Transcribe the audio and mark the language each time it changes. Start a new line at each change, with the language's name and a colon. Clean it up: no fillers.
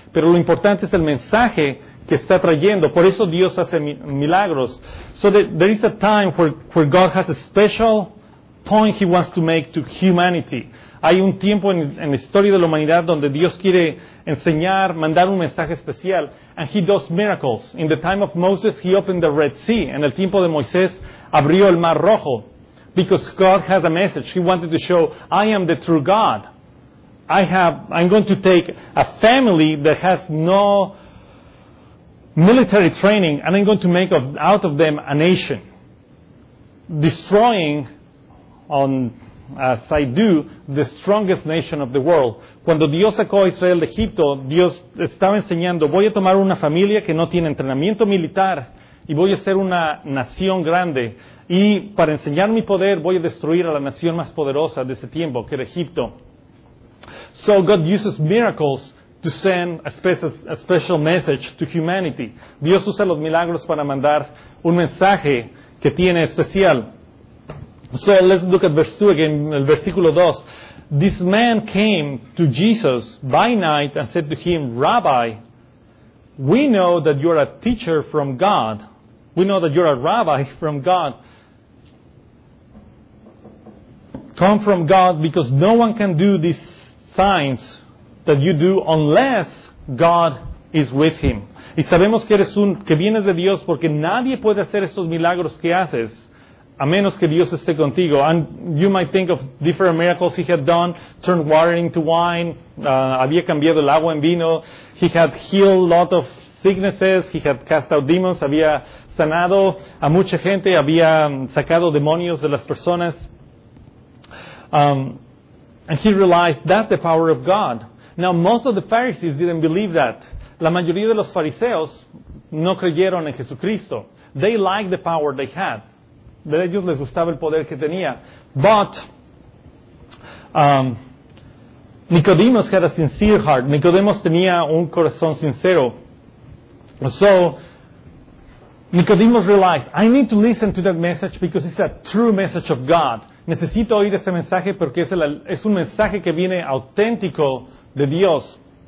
Spanish: Pero lo importante es el mensaje que está trayendo. Por eso Dios hace milagros.
English: So there is a time where God has a special point he wants to make to humanity.
Spanish: Hay un tiempo en la historia de la humanidad donde Dios quiere enseñar, mandar un mensaje especial.
English: And he does miracles. In the time of Moses, he opened the Red Sea.
Spanish: En el tiempo de Moisés, abrió el Mar Rojo.
English: Because God has a message. He wanted to show, I am the true God. I'm going to take a family that has no military training, and I'm going to make out of them a nation. Destroying, as I do, the strongest nation of the world.
Spanish: Cuando Dios sacó a Israel de Egipto, Dios estaba enseñando, voy a tomar una familia que no tiene entrenamiento militar y voy a ser una nación grande. Y para enseñar mi poder, voy a destruir a la nación más poderosa de ese tiempo, que era Egipto.
English: So God uses miracles to send a special message to humanity.
Spanish: Dios usa los milagros para mandar un mensaje que tiene especial.
English: So let's look at verse 2 again,
Spanish: el versículo 2.
English: This man came to Jesus by night and said to him, Rabbi, we know that you are a teacher from God. We know that you are a rabbi from God. Come from God, because no one can do these signs that you do unless God is with him.
Spanish: Y sabemos que vienes de Dios, porque nadie puede hacer esos milagros que haces a menos que Dios esté contigo.
English: And you might think of different miracles he had done, turned water into wine,
Spanish: había cambiado el agua en vino,
English: he had healed a lot of sicknesses, he had cast out demons,
Spanish: había sanado a mucha gente, había sacado demonios de las personas.
English: And he realized that's the power of God. Now, most of the Pharisees didn't believe that.
Spanish: La mayoría de los fariseos no creyeron en Jesucristo.
English: They liked the power they had.
Spanish: De ellos les gustaba el poder que tenía.
English: But Nicodemus had a sincere heart.
Spanish: Nicodemus tenía un corazón sincero.
English: So Nicodemus realized, I need to listen to that message because it's a true message of God.
Spanish: Necesito oír ese mensaje porque es un mensaje que viene auténtico de Dios.